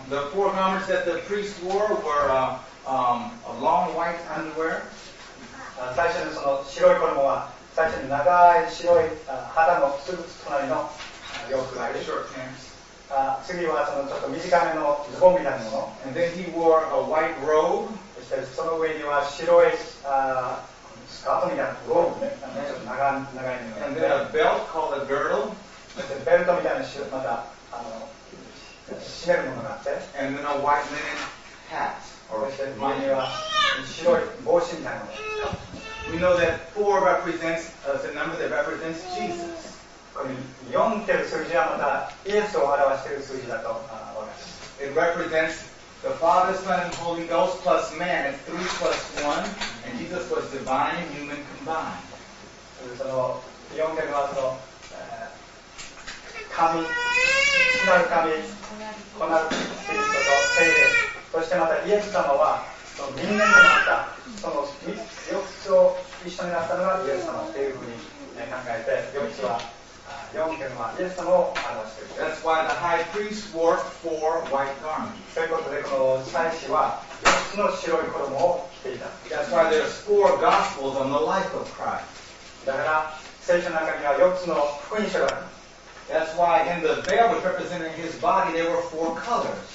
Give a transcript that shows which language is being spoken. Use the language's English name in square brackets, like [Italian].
[English] The four garments that the priest wore were a long white underwear. [Japanese] 最初にその白い衣は、最初に長い白い肌のすぐ隣の洋服がいる。 [English] Short pants. [Japanese] 次はそのちょっと短めのズボンみたいなもの。 [English] And then he wore a white robe. [Japanese] そしてその上には白い、スカートみたいなロープね。ちょっと長いの。 [English] And then a belt called a girdle. [Japanese] そしてベルトみたいなし、また、締めるものがあって。 [English] And then a white linen hat. [Japanese] そして前には白い帽子みたいなもの。 [English] We know that four represents the number that represents Jesus. [Japanese] 4という数字はまたイエスを表している数字だと分かります。 [English] It represents the Father, Son, and Holy Ghost plus man. It's 3 plus 1, and Jesus was divine and human combined. [Japanese] その4というのはその神、父なる神、子なる神、聖霊、聖霊、そしてまたイエス様はその人間でもあった、その4つを一緒になったのがイエス様というふうに、ね、考えて、4つは。 [English] That's why the high priest wore four white garments. [Japanese] ということでこの祭司は四つの白い衣を着ていた。 [English] That's why there's four gospels on the life of Christ. [Japanese] だから聖書の中には四つの福音書がある。 [English] That's why in the veil which represented his body there were four colors.